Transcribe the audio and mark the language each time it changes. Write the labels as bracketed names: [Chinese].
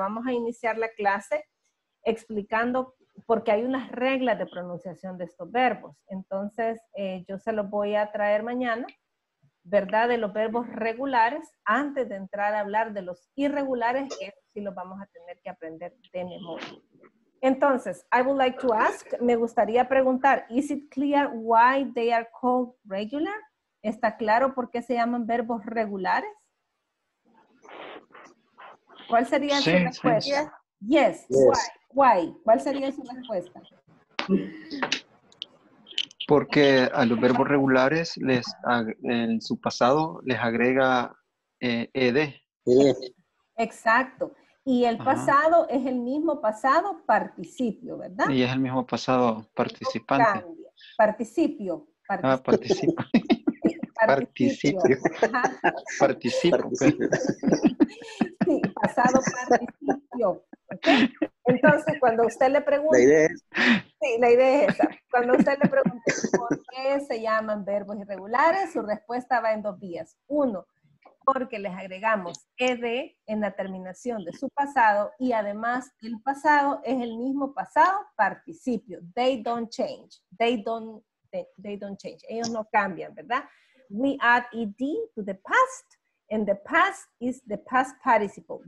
[Spanish] Vamos a iniciar la clase explicando cómo. Porque hay unas reglas de pronunciación de estos verbos. Entonces, yo se los voy a traer mañana, ¿verdad? De los verbos regulares, antes de entrar a hablar de los irregulares, que sí los vamos a tener que aprender de memoria. Entonces, [English] I would like to ask, [Spanish] me gustaría preguntar, [English] ¿is it clear why they are called regular? [Spanish] ¿Está claro por qué se llaman verbos regulares? ¿Cuál sería su respuesta? Sí. [English] Yes, yes. Why? Why? [Spanish] ¿Cuál sería su respuesta? Porque a los verbos regulares les en su pasado les agrega ed. Exacto. Y el pasado es el mismo pasado participio, ¿verdad? Y es el mismo pasado participante. Cambia. Participio. Participio. Ah, participa. Participio. Participio. Participio. Sí, pasado participio. ¿Okay? Entonces, cuando usted le pregunte, la idea es esa. Cuando usted le pregunte por qué se llaman verbos irregulares, su respuesta va en dos vías. Uno, porque les agregamos ed en la terminación de su pasado y además el pasado es el mismo pasado participio. [English] They don't change. They don't change. [Spanish] Ellos no cambian, ¿verdad? [English] We add ed to the past and the past is the past participle.